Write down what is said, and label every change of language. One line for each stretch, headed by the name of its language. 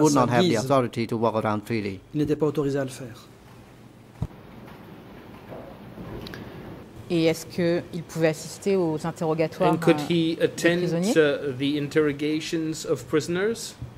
English: Would not have the authority to walk around freely.
French: Il n'était pas autorisé à le faire. Et est-ce qu'il pouvait assister aux interrogatoires des prisonniers?
English: And could he attend the interrogations of prisoners?